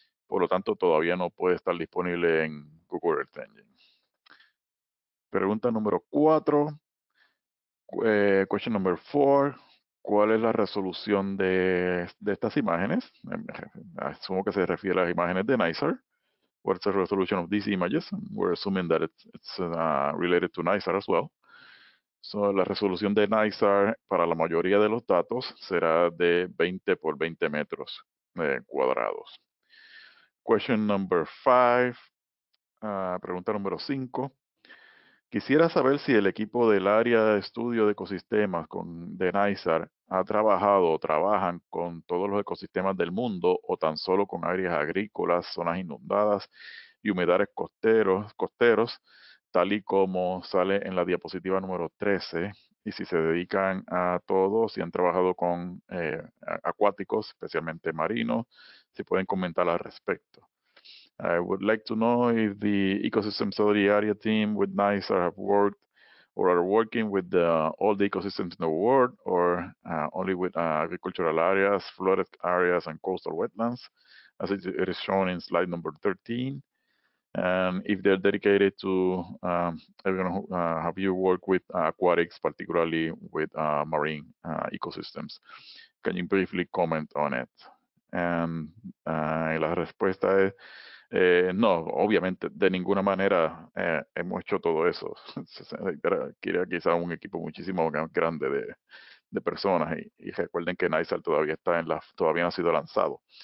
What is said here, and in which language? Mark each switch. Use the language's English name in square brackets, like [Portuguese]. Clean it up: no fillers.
[Spanish] Por lo tanto, todavía no puede estar disponible en Google Earth Engine. Pregunta número cuatro. [English] Question number four. [Spanish] ¿Cuál es la resolución de estas imágenes? Asumo que se refiere a las imágenes de NISAR. [English] What's the resolution of these images? We're assuming that it's related to NISAR as well. [Spanish] So, la resolución de NISAR para la mayoría de los datos será de 20 por 20 metros cuadrados. [English] Question number five. [Spanish] Pregunta número 5. Quisiera saber si el equipo del área de estudio de ecosistemas de NISAR ha trabajado o trabajan con todos los ecosistemas del mundo o tan solo con áreas agrícolas, zonas inundadas y humedales costeros, tal y como sale en la diapositiva número 13, y si se dedican a todo, si han trabajado con acuáticos, especialmente marinos, si pueden comentar al respecto. [English] I would like to know if the ecosystem study area team with NICER have worked or are working with all the ecosystems in the world or only with agricultural areas, flooded areas, and coastal wetlands, as it is shown in slide number 13. And if they're dedicated to, have you worked with aquatics, particularly with marine ecosystems? Can you briefly comment on it? [Spanish] And la respuesta es, no, obviamente, de ninguna manera hemos hecho todo eso. Quiere quizá un equipo muchísimo más grande de personas. Y recuerden que NICER todavía no ha sido lanzado.